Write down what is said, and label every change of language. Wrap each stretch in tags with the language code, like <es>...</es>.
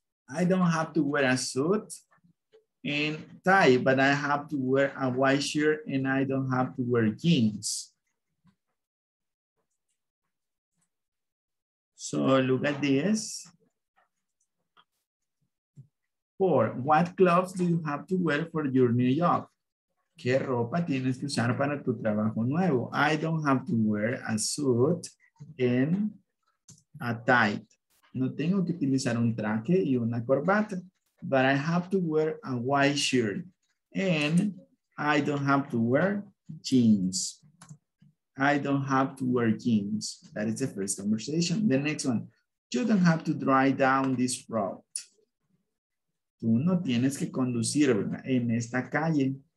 <en>I don't have to wear a suit and tie, but I have to wear a white shirt and I don't have to wear jeans. So look at this. Four, what gloves do you have to wear for your new job?</en> <es>¿Qué ropa tienes que usar para tu trabajo nuevo?</es> <en>I don't have to wear a suit and a tie.</en> <es>No tengo que utilizar un traje y una corbata,</es> <en>but I have to wear a white shirt and I don't have to wear jeans. I don't have to wear jeans. That is the first conversation. The next one, you don't have to drive down this road.</en> <es>Tú no tienes que conducir, ¿verdad?, en esta calle.</es>